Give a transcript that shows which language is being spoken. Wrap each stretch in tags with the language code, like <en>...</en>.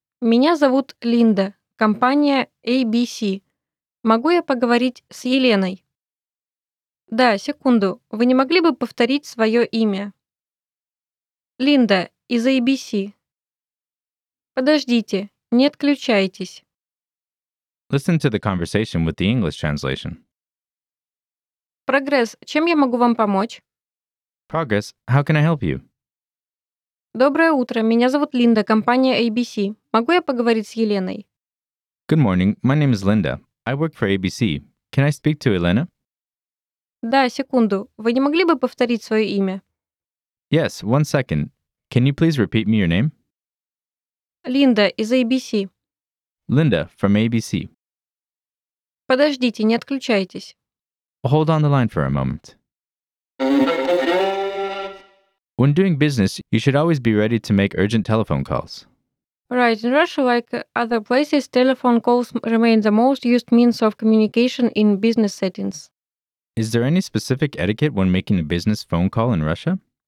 <ru>Меня зовут Линда, компания ABC. Могу я поговорить с Еленой? Да, секунду. Вы не могли бы повторить свое имя? Линда из ABC. Подождите, не отключайтесь.</ru> <en>Listen to the conversation with the English translation.</en> <ru>Прогресс, чем я могу вам помочь?</ru> <en>Progress, how can I help you?</en> <ru>Доброе утро, меня зовут Линда, компания ABC. Могу я поговорить с Еленой?</ru> <en>Good morning, my name is Linda. I work for ABC. Can I speak to Elena?</en> <ru>Да, секунду, вы не могли бы повторить свое имя?</ru> <en>Yes, one second. Can you please repeat me your name?</en> <ru>Линда из ABC.</ru> <en>Linda from ABC.</en> <ru>Подождите, не отключайтесь.</ru> <en>Hold on the line for a moment. When doing business, you should always be ready to make urgent telephone calls. Right. In Russia, like other places, telephone calls remain the most used means of communication in business settings. Is there any specific etiquette when making a business phone call in Russia?</en>